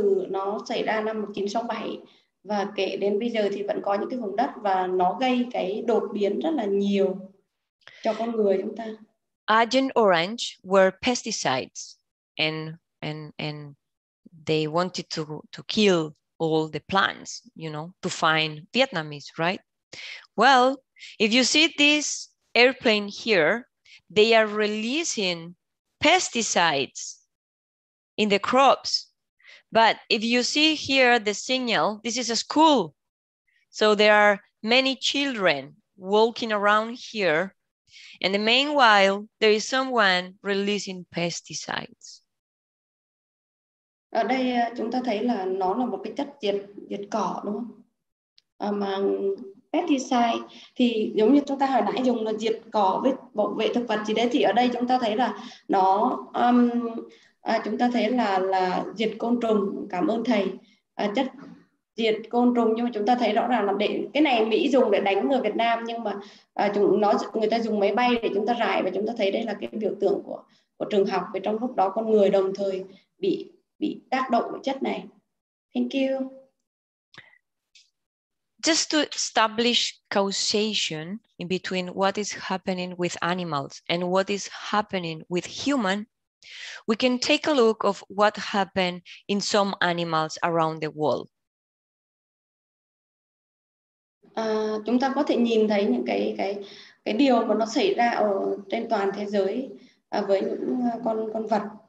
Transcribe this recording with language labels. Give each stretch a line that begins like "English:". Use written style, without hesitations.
Vietnamese: Nó xảy ra năm 1967 và kể đến bây giờ thì vẫn có những cái vùng đất và nó gây cái đột biến rất là nhiều cho con người chúng ta.
English: Agent Orange were pesticides and they wanted to kill all the plants, you know, to find Vietnamese, right? Well, if you see this airplane here, they are releasing pesticides in the crops. But if you see here the signal, this is a school. So there are many children walking around here. And the meanwhile, there is someone releasing pesticides.
Vietnamese: Ở đây chúng ta thấy là nó là một cái chất diệt cỏ đúng không? Mà pesticide thì giống như chúng ta hồi nãy dùng là diệt cỏ với bảo vệ thực vật gì đấy, thì ở đây chúng ta thấy là nó chúng ta thấy là diệt côn trùng, cảm ơn thầy, chất diệt côn trùng. Nhưng mà chúng ta thấy rõ ràng là để cái này Mỹ dùng để đánh người Việt Nam, nhưng mà người ta dùng máy bay để chúng ta rải, và chúng ta thấy đây là cái biểu tượng của trường học, và trong lúc đó con người đồng thời bị tác động của chất này.
English: Thank you. Just to establish causation in between what is happening with animals and what is happening with human, we can take a look of what happened in some animals around the world.
Vietnamese: Chúng ta có thể nhìn thấy những cái điều mà nó xảy ra ở trên toàn thế giới với những con vật.